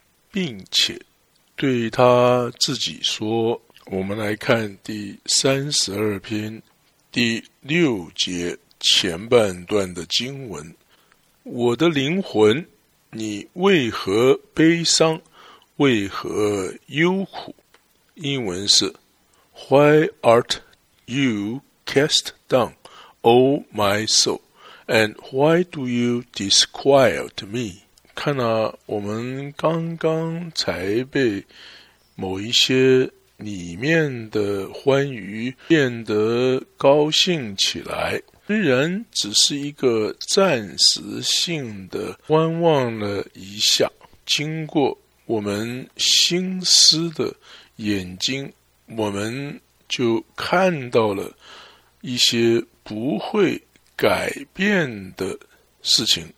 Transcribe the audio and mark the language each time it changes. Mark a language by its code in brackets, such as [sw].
[zh] 并且对他自己说，我们来看第32篇第6前半段的经文，我的灵魂，你为何悲伤，为何忧苦？英文是 [en] Why art you cast down, O my soul, and why do you disquiet me? [zh] 看啊，我们刚刚才被某一些里面的欢愉变得高兴起来，虽然只是一个暂时性的观望了一下，经过我们心思的眼睛，我们就看到了一些不会改变的事情。